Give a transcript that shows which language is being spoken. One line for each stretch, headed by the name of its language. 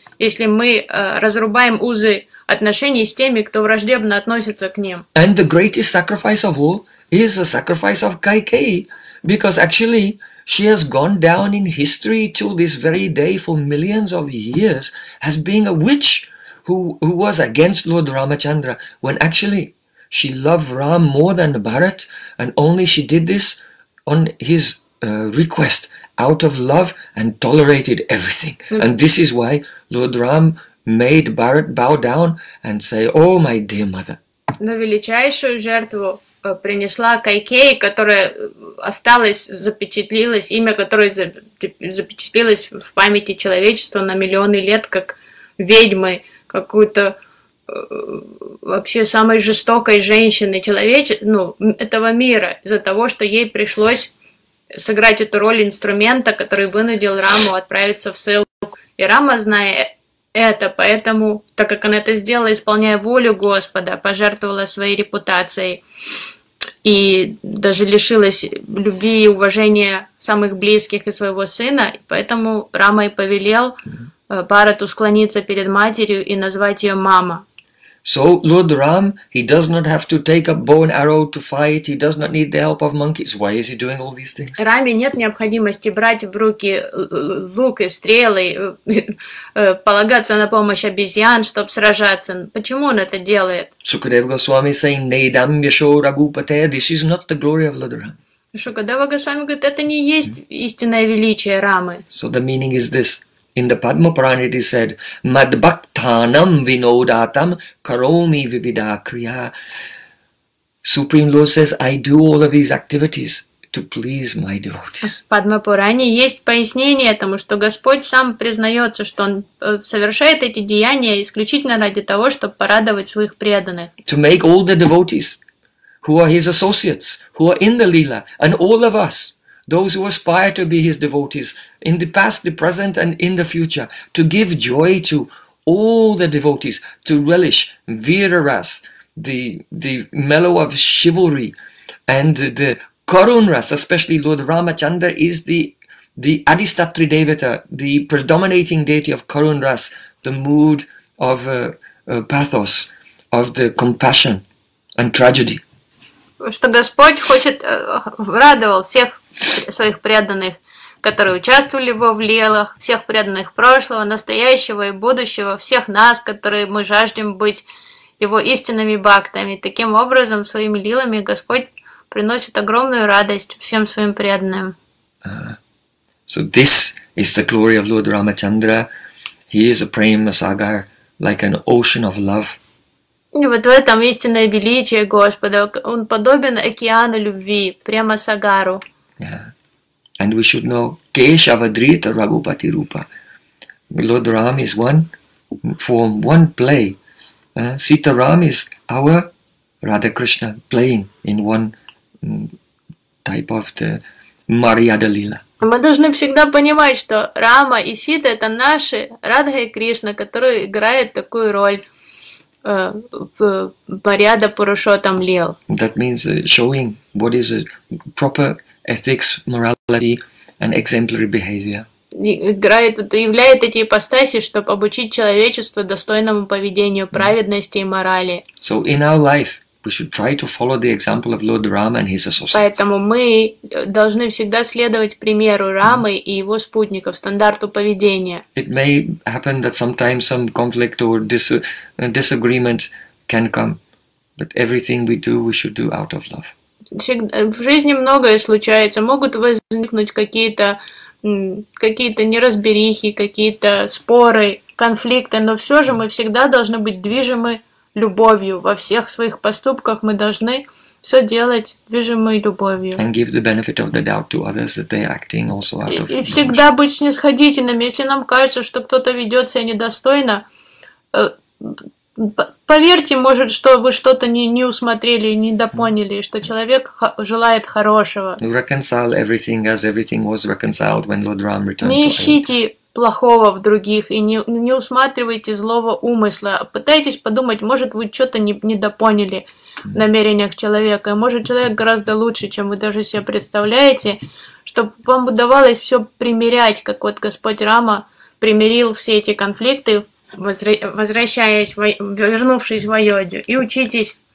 Russian: Если мы разрубаем узы отношений с теми, кто враждебно относится к ним.
English: And the greatest sacrifice of all is a sacrifice of Kaikeyi, because actually she has gone down in history till this very day for millions of years as being a witch who was against Lord Ramachandra, when actually she loved Ram more than Bharat, and only she did this on his request out of love and tolerated everything. And this is why Lord Ram made Bharat bow down and say, "O my dear mother."
Russian: На величайшую жертву принесла Кайкеи, которая осталась, запечатлилась, имя которой запечатлилось в памяти человечества на миллионы лет, как ведьмы, какую-то вообще самой жестокой женщины этого мира, из-за того, что ей пришлось сыграть эту роль инструмента, который вынудил Раму отправиться в ссылку. И Рама, зная это, поэтому, так как она это сделала, исполняя волю Господа, пожертвовала своей репутацией и даже лишилась любви и уважения самых близких и своего сына, поэтому Рама и повелел Бхарату склониться перед матерью и назвать ее мама.
English: So Lord Ram, he does not have to take a bow and arrow to fight, he does not need the help of monkeys. Why is he doing all these things?
Russian: Раме нет необходимости брать в руки лук и стрелы, полагаться на помощь обезьян, чтобы сражаться. Почему он это делает?
English: Sukadeva Goswami saying,
Sanskrit: Neidam Yasho Ragupate,
English: this is not the glory of Lord Ram.
Russian: Шукадева Госвами говорит, это не есть истинное величие Рамы.
English: So the meaning is this. In the Padma Purana it is said,
Sanskrit: Madbhaktanam Vinodatam Karomi Vibhida Kriya.
English: Supreme Lord says, I do all of these activities to please my devotees.
Russian: В Padma Purana есть пояснение этому, что Господь сам признается, что Он совершает эти деяния исключительно ради того, чтобы порадовать своих преданных.
English: To make all the devotees, who are His associates, who are in the Leela, and all of us, those who aspire to be his devotees in the past, the present, and in the future, to give joy to all the devotees, to relish Virarasa, the mellow of chivalry, and the Karunrasa, especially Lord Ramachandra is the Adhistatri Devata, the predominating deity of Karunrasa, the mood of pathos, of the compassion and tragedy.
Russian: Что Господь хочет радовал всех своих преданных, которые участвовали во влелах, всех преданных прошлого, настоящего и будущего, всех нас, которые мы жаждем быть его истинными бхактами. Таким образом, своими лилами Господь приносит огромную радость всем своим преданным.
English: So this is the glory of Lord Ramachandra. He is a prema sagar, like an ocean of love.
Russian: И вот в этом истинное величие Господа. Он подобен океану любви, према сагару.
English: Yeah. And we should know
Sanskrit: Keshavadrita Raghupati Rupa.
English: Lord Ram is one form, one play. Sita Ram is our Radha Krishna playing in one type of the Mariyada Lila.
Russian: Мы должны всегда понимать, что Рама и Сита — это наши Радха и Кришна, которые играют такую роль в Мариада Пурушотам Лил.
English: That means showing what is a proper ethics, morality, and exemplary behavior.
Russian: Играет, являет эти ипостаси, чтобы обучить человечество достойному поведению, праведности и морали.
English: So in our life, we should try to follow the example of Lord Rama and his associates.
Russian: Поэтому мы должны всегда следовать примеру Рамы и его спутников, стандарту поведения.
English: It may happen that sometimes some conflict or disagreement can come, but everything we do, we should do out of love.
Russian: В жизни многое случается, могут возникнуть какие-то неразберихи, какие-то споры, конфликты, но все же мы всегда должны быть движимы любовью. Во всех своих поступках мы должны все делать движимы любовью.
English: And give the benefit of the doubt to others that they're acting also out of emotion.
Russian: И всегда быть снисходительным, если нам кажется, что кто-то ведет себя недостойно. Поверьте, может, что вы что-то не усмотрели, не допоняли, что человек желает хорошего.
English: Reconcile everything as everything was reconciled when Lord Ram returned.
Russian: Не ищите плохого в других и не усматривайте злого умысла. Пытайтесь подумать, может, вы что-то не допоняли в намерениях человека, и может, человек гораздо лучше, чем вы даже себе представляете, чтобы вам удавалось все примирять, как вот Господь Рама примирил все эти конфликты, вернувшись в Айодию, и учитесь